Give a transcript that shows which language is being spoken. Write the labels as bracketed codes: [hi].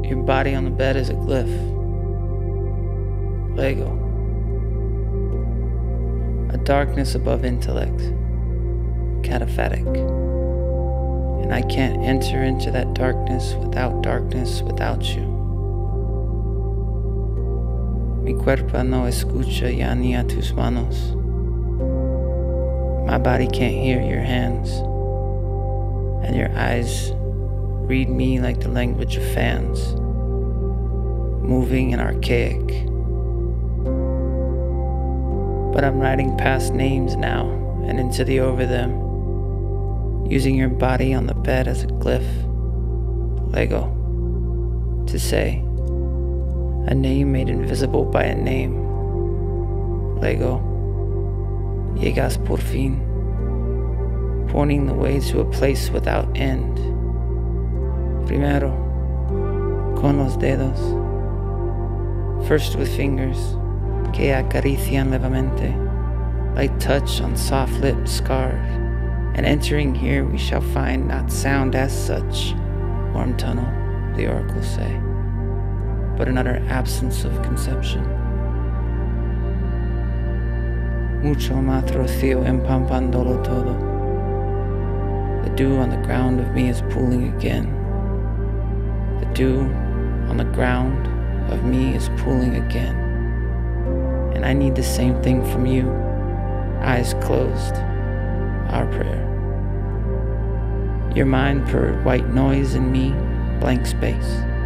[en] body on the bed is a glyph. Lego. A darkness above intellect. Cataphatic. And I can't enter into that darkness without you. [es] Mi cuerpo no escucha ya ni a tus manos. [en] My body can't hear your hands. And your eyes read me like the language of fans. Moving and archaic. But I'm writing past names now and into the over them. Using your body on the bed as a glyph. Lego. To say. A name made invisible by a name. Lego. [es] Llegas por fin. [en] Pointing the way to a place without end. [es] Primero. Con los dedos. [en] First with fingers. [es] Que acarician levemente. [en] Light touch on soft lips scarred. And entering here we shall find not sound as such. Warm tunnel, the oracle say. But an utter absence of conception. [es] Mucho más rocío empampándolo todo. [en] The dew on the ground of me is pooling again. The dew on the ground of me is pooling again. And I need the same thing from you. Eyes closed. Our prayer. Your mind purred white noise in me, blank space.